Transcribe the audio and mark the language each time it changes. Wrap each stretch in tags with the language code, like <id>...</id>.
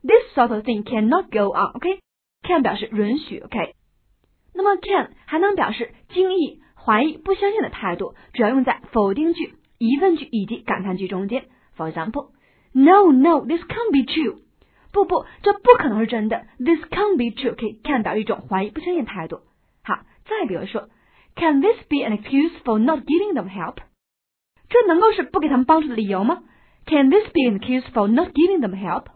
<en>This sort of thing cannot go on, OK?</en> <zh>Can 表示允许 ,OK? 那么 can 还能表示惊异、怀疑、不相信的态度主要用在否定句、疑问句以及感叹句中间。</zh> <en>For example, No, no, this can't be true.</en> <zh>不不这不可能是真的。</zh> <en>This can't be true, OK?</en> <zh>Can 表示一种怀疑、不相信的态度。好再比如说</zh> <en>Can this be an excuse for not giving them help?</en> <zh>这能够是不给他们帮助的理由吗？</zh> <en>Can this be an excuse for not giving them help?</en>